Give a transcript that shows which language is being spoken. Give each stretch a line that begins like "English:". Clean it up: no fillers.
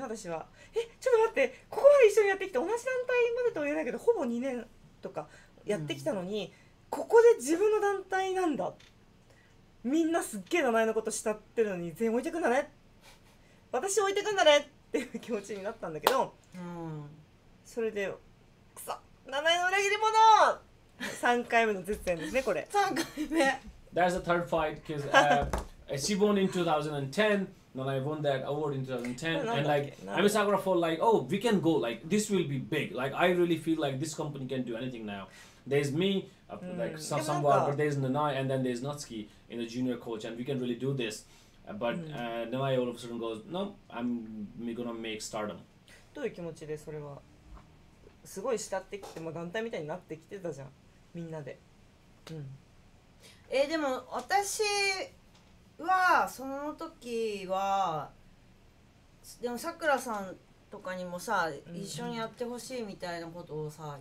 Japanese: 私はちょっと待って、ここまで一緒にやってきて、同じ団体までとは言えないけどほぼ2年とかやってきたのに、うん、ここで自分の団体なんだ、みんなすっげえ名前のこと慕ってるのに全員置いてくんだね、私置いてくんだねっていう気持ちになったんだけど、うん、それでクソ、名前の裏切り者、3回目の絶戦ですね、これ 3回目
English: That's the third fight because she born in 2010Nanai won that award in 2010 and like Ami Sakura for like, oh, we can go, like this will be big, like I really feel like this company can do anything now. There's me, like somewhere, but there's Nanai and then there's Natsuki in the junior coach and we can really do this. But Nanai all of a sudden goes, no, I'm gonna make stardom.
Japanese: どういう気持ちでそれは、すごい慕ってきて、もう団体みたいになってきてたじゃん、みんなで。うん、でも私はその時はでもさくらさんとかにもさ、うん、一緒にやってほしいみたいなことをさ